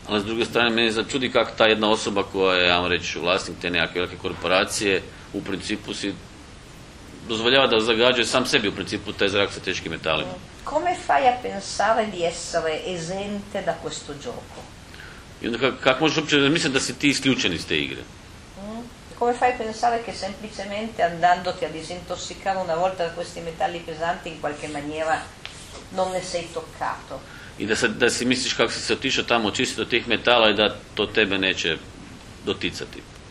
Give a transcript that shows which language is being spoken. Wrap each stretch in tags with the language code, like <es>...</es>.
<hr>Ali s druge strane, meni začudi kako ta jedna osoba koja je, vam reći, vlasnik te nekakve velike korporacije, u principu si dozvoljava da zagađuje sam sebi, u principu, taj zrak sa teškim metalima.</hr> <it>Come fai a pensare di essere esente da questo gioco?</it> <hr>I onda kako možeš uopće misliti da si ti isključen iz te igre?</hr> <it>Come fai a pensare che semplicemente andandoti a disintossicare una volta da questi metalli pesanti in qualche maniera non ne sei toccato?</it> <hr>I da si misliš kako si se otišao tamo očistiti do tih metala i da to tebe neće doticati.</hr>